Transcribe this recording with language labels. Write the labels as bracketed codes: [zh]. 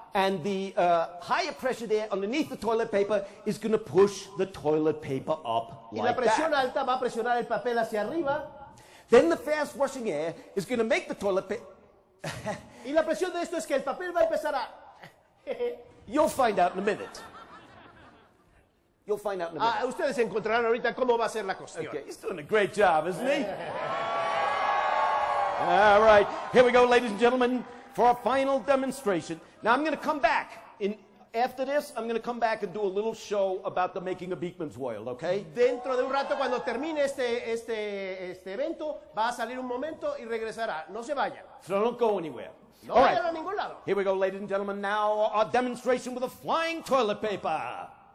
[en] And the higher pressure there underneath the toilet paper is going to push the toilet paper up like that. [es] Y la presión alta va a presionar el papel hacia arriba. [en] Then the fast rushing air is going to make the toilet paper... [es] Y la presión de esto es que el papel va a empezar a... [en] You'll find out in a minute. You'll find out in a minute. [es] Ah, ustedes encontrarán ahorita cómo va a ser la cuestión. [en] Okay, he's doing a great job, isn't he? All right, here we go, ladies and gentlemen, for our final demonstration. Now, I'm going to come back. After this, I'm going to come back and do a little show about the making of Beakman's World, okay? [es] Dentro de un rato, cuando termine este evento, va a salir un momento y regresará. No se vaya. [en] So don't go anywhere. [es] No vayan a ningún lado. [en] Here we go, ladies and gentlemen. Now, our demonstration with the flying toilet paper.